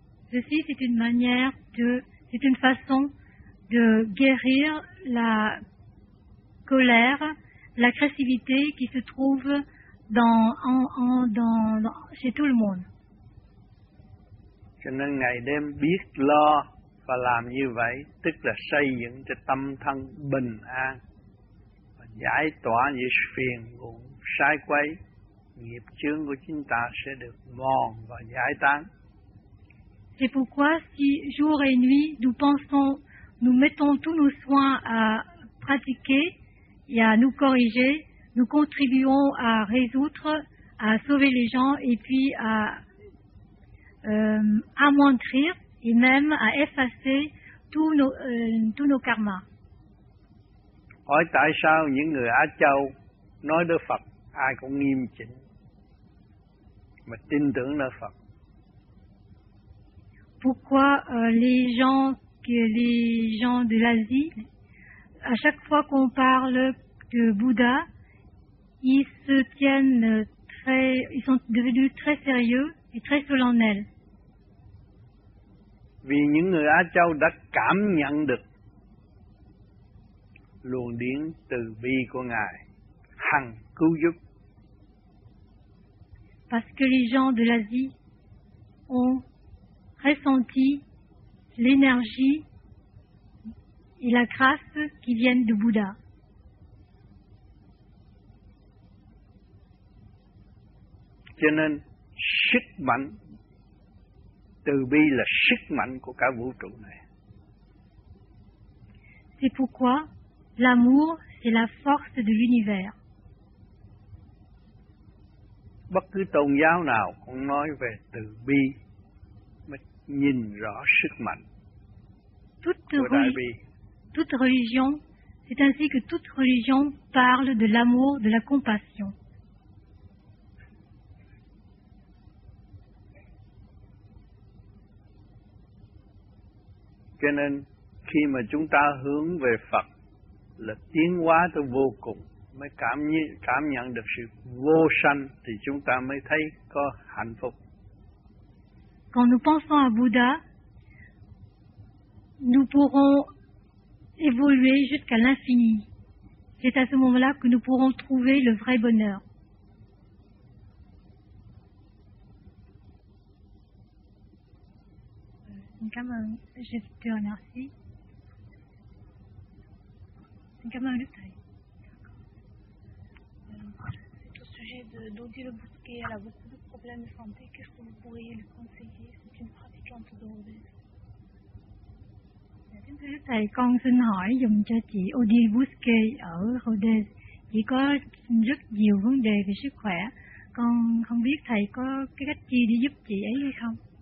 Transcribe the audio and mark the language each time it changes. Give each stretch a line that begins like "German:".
French: Ceci, c'est une manière de, c'est une façon de guérir la colère, l'agressivité qui se trouve dans chez tout le monde.
Vietnamese: Cho nên ngày đêm biết lo và làm như vậy, tức là xây dựng cho tâm thân bình an, và giải tỏa những phiền muộn sai quấy, nghiệp chướng của chúng ta sẽ được mòn và giải tán.
French: C'est pourquoi si jour et nuit nous pensons, nous mettons tous nos soins à pratiquer et à nous corriger, nous contribuons à résoudre, à sauver les gens et puis à amoindrir et même à effacer tous nos karmas.
Vietnamese: Hỏi tại sao những người Á Châu nói đức Phật ai cũng nghiêm chỉnh mà tin tưởng nơi Phật?
French: Pourquoi les gens de l'Asie, à chaque fois qu'on parle de Bouddha, ils se tiennent très, ils sont devenus très sérieux et très solennels?
Vietnamese: Vì những người Á Châu đã cảm nhận được luồng điển từ bi của Ngài hằng cứu giúp.
French: Parce que les gens de l'Asie ont ressenti l'énergie et la grâce qui viennent de Bouddha.
Vietnamese: Cho nên sức mạnh từ bi là sức mạnh của cả vũ trụ này.
French: C'est pourquoi l'amour c'est la force de l'univers.
Vietnamese: Bất cứ tôn giáo nào cũng nói về từ bi mới nhìn rõ sức mạnh.
French: Toute religion, c'est ainsi que toute religion parle de l'amour, de la compassion.
Vietnamese: Cho nên khi mà chúng ta hướng về Phật là tiến hóa tới vô cùng, mới cảm nhận được sự vô sanh, thì chúng ta mới thấy có hạnh phúc.
French: Quand nous pensons à Bouddha, nous pourrons évoluer jusqu'à l'infini. C'est à ce moment-là que nous pourrons trouver le vrai bonheur.
Vietnamese: Cảm ơn,
French: je te remercie.
Vietnamese: Cảm ơn Đức Thầy.
French: Au sujet d'Odile Le Bousquet, elle a beaucoup de problèmes de santé. Qu'est-ce que vous pourriez lui conseiller? C'est une pratiquante d'Odile.
Vietnamese: Xin thưa Đức Thầy, con xin hỏi dùm cho chị Odile Le Bousquet ở Hodes. Chị có rất nhiều vấn đề về sức khỏe. Con không biết thầy có cái cách chi để giúp chị ấy hay không?